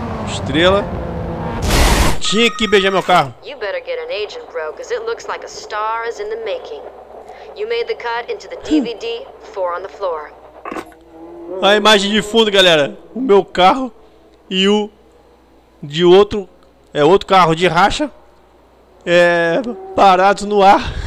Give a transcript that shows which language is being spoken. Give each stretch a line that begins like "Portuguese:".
Portuguese: Estrela. Tinha que beijar meu carro.
English: You better get an agent, bro, because it looks like a star is in the making. You made the cut into the DVD, four on the floor.
Portuguese: A imagem de fundo, galera. O meu carro e o de outro, é outro carro de racha, é parado no ar.